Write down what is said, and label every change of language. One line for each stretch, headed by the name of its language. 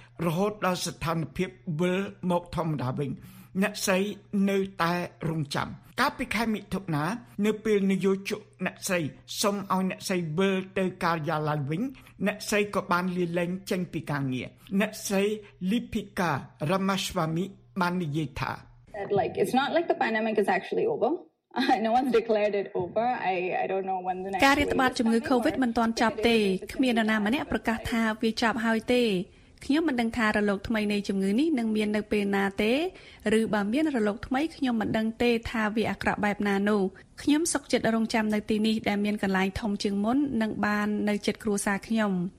Khmer: រហូតដល់ស្ថានភាពវិលមកធម្មតាវិញអ្នកស្រីនៅតែរងចាំកាលពីខែមិថុនានៅពេលនយោជកអ្នកស្រីសុំឲ្យអ្នកស្រីវិលទៅការិយាល័យវិញអ្នកស្រីក៏បានលាលែងចេញពីការងារអ្នកស្រី Lipika Ramaswamy បាននិយាយថា
English: It's not like the pandemic is actually over. No one's declared it over. I don't know when the next
Khmer: ការរាតត្បាតជំងឺ COVID មិនទាន់ចប់ទេគ្មាននរណាម្នាក់ប្រកាសថាវាចប់ហើយទេ ខ្ញុំមិនដឹងថារលកថ្មីនៃជំងឺនេះនឹងមាននៅពេលណាទេឬបើមានរលកថ្មីខ្ញុំមិនដឹងទេថាវាអាក្រក់បែបណានោះខ្ញុំសុខចិត្តរងចាំនៅទីនេះដែលមានកន្លែងធំជាងមុននិងបាននៅជិតគ្រួសារខ្ញុំ